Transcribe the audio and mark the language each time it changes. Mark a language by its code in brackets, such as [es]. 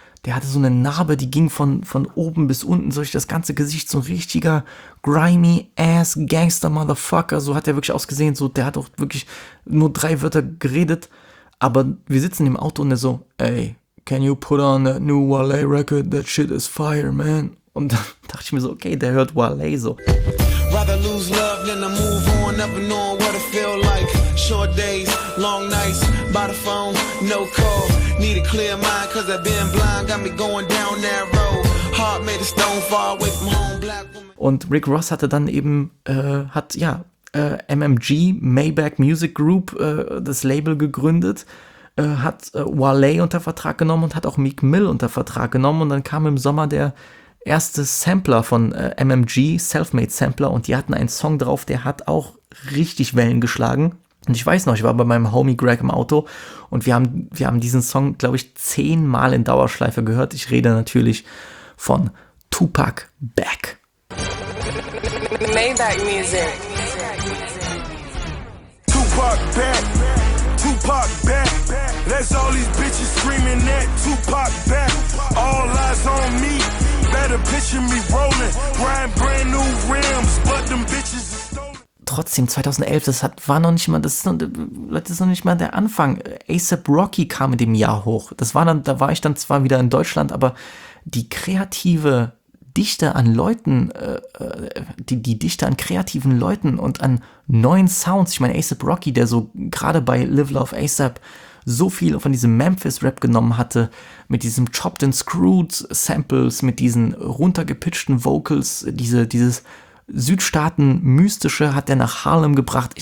[de] Der hatte so eine Narbe, die ging von oben bis unten, so das ganze Gesicht, so ein richtiger [en] grimy ass Gangster Motherfucker, [de] so hat er wirklich ausgesehen, so der hat auch wirklich nur drei Wörter geredet, aber wir sitzen im Auto und er so, ey, [en] can you put on that new Wale record, that shit is fire, man, [de] und dann dachte ich mir so, okay, der hört Wale so. [en] Rather lose love than to move on, never knowing what it feel like, short days, long nights, by the phone, no call. Need a clear mind, cause I've been blind, got me going down that road. Heart made of stone, far away from home, black woman. [de] Und Rick Ross hatte dann eben, MMG, Maybach Music Group, das Label gegründet, hat Wale unter Vertrag genommen und hat auch Meek Mill unter Vertrag genommen und dann kam im Sommer der erste Sampler von MMG, Selfmade Sampler, und die hatten einen Song drauf, der hat auch richtig Wellen geschlagen. Und ich weiß noch, ich war bei meinem Homie Greg im Auto und wir haben diesen Song, glaube ich, 10 Mal in Dauerschleife gehört. Ich rede natürlich von Tupac Back. [en] Maybach Music. Tupac Back. Tupac Back. That's all these bitches screaming at. Tupac Back. All eyes on me. Better picture me rolling. Grind brand new rims, but them bitches. [de] trotzdem, 2011, das hat, war noch nicht mal, das ist noch, Leute, das ist noch nicht mal der Anfang. A$AP Rocky kam in dem Jahr hoch. Das war dann, da war ich dann zwar wieder in Deutschland, aber die kreative Dichte an Leuten, die Dichte an kreativen Leuten und an neuen Sounds, ich meine, A$AP Rocky, der so gerade bei Live Love A$AP so viel von diesem Memphis-Rap genommen hatte, mit diesem Chopped and Screwed Samples, mit diesen runtergepitchten Vocals, dieses Südstaaten-Mystische hat er nach Harlem gebracht.